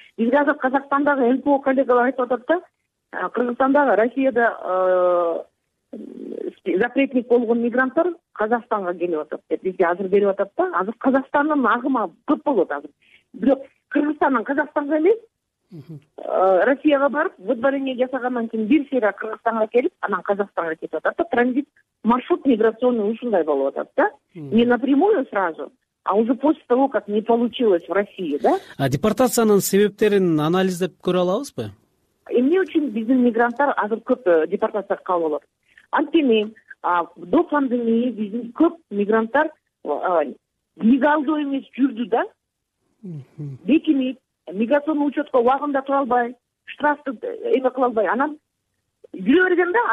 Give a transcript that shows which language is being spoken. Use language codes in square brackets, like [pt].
[ky] Бизге азыр Казакстандагы НПО коллегалар айтып атат да, Кыргызстандагы Россияда запретник болгон мигранттар Казакстанга келип атат деп бизге азыр берип атат да. Азыр Казакстандын агымы көп болот азыр, бирок Кыргызстандан Казакстанга эмес, Россияга барып выдворение жасагандан кийин бир сыйра Кыргызстанга келип, анан Казакстанга кетип атат да. [ru] Транзит маршрут миграционный [ky] ушундай болуп атат да, [ru] не напрямую сразу, а уже после того как не получилось в России да. [ky] А депортациянын себептерин анализдеп көрө алабызбы? Эмне үчүн биздин мигранттар азыр көп депортацияга кабыл болот? Анткени [ru] до пандемии [ky] биздин көп мигранттар легалдуу эмес жүрдү да, бекинип миграционный учетко убагында тура албай, штрафты эме кыла албай анан жүрө берген да.